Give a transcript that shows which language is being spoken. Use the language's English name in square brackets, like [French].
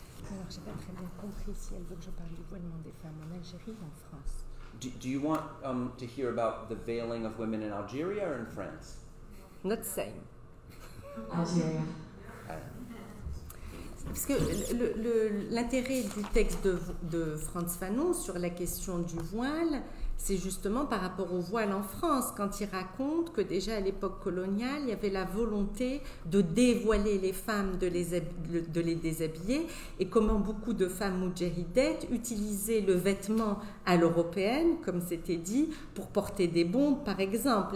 [French] Alors, j'ai pas très bien compris si elle veut que je parle du voilement des femmes en Algérie ou en France. [English] Do you want to hear about the veiling of women in Algeria or in France? Not same. Algeria. [French] Parce que l'intérêt du texte de Frantz Fanon sur la question du voile, c'est justement par rapport au voile en France, quand il raconte que déjà à l'époque coloniale, il y avait la volonté de dévoiler les femmes, de les déshabiller, et comment beaucoup de femmes moudjahidettes utilisaient le vêtement à l'européenne, comme c'était dit, pour porter des bombes, par exemple.